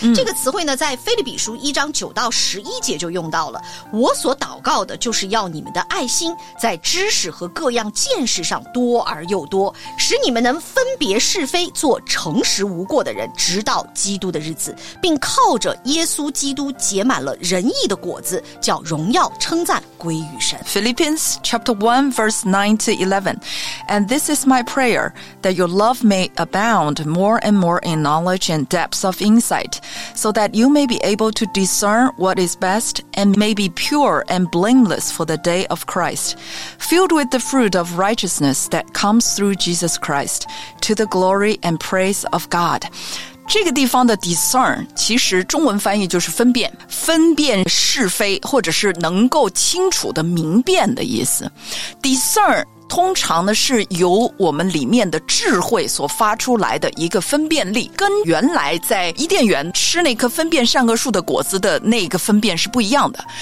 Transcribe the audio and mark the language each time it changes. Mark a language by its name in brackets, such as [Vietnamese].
[Chinese] 这个词汇呢在腓立比书一章九到十一节就用到了，我所祷告的就是要你们的爱心在知识和各样见识上多而又多，使你们能分别是非，做诚实无过的人，直到基督的日子，并靠着耶稣基督结满了仁义的果子，叫荣耀称赞归于神。 [English] Philippians chapter 1 verse 9 to 11 And this is my prayer that your love may abound more and moreIn knowledge and depths of insight, so that you may be able to discern what is best and may be pure and blameless for the day of Christ, filled with the fruit of righteousness that comes through Jesus Christ, to the glory and praise of God. [Chinese] 这个地方的 discern 其实中文翻译就是分辨，分辨是非，或者是能够清楚的明辨的意思。 discern 通常呢是由我们里面的智慧所发出来的一个分辨力，跟原来在伊甸园吃那颗分辨善恶树的果子的那个分辨是不一样的。